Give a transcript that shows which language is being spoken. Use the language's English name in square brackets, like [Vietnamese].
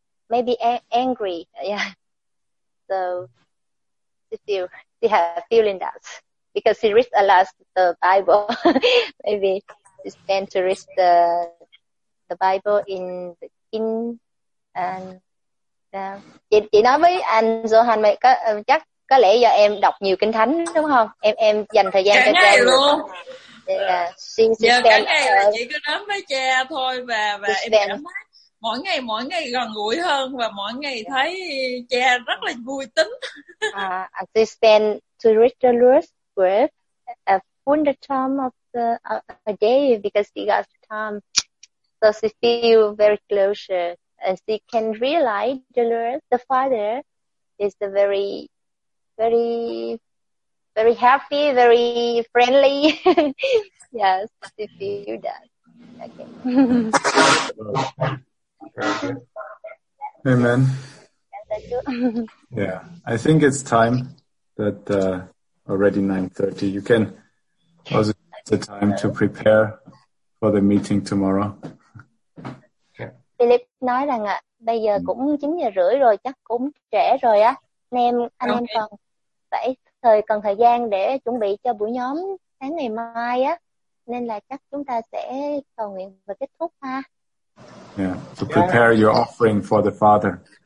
[English] Maybe angry, yeah. So she have feeling that because she reads a lot the Bible. Maybe she tend to read the Bible in the King, and yeah. [Vietnamese] Chị nói với anh Johan, mày chắc có lẽ do em đọc nhiều kinh thánh đúng không? Em dành thời gian cho cha luôn. Giờ cả ngày là chỉ có nói với cha thôi, và em mỗi ngày gần gũi hơn, và mỗi ngày thấy cha rất là vui tính. [English] I spend to read the Lord's word a full time of the a day because she got time, so she feel very closer and she can realize the Lord, the Father, is the very, very, very happy, very friendly. Yes, she feel that. Okay. Okay. Amen. Yeah, I think it's time that already 9:30. You can also take the time to prepare for the meeting tomorrow. [Vietnamese] Philip nói rằng ạ, bây giờ cũng 9:30 rồi, chắc cũng trễ rồi á. Anh em cần phải cần thời gian để chuẩn bị cho buổi nhóm sáng ngày mai á. Nên là chắc chúng ta sẽ cầu nguyện và kết thúc ha. [English] Yeah, to prepare your offering for the Father.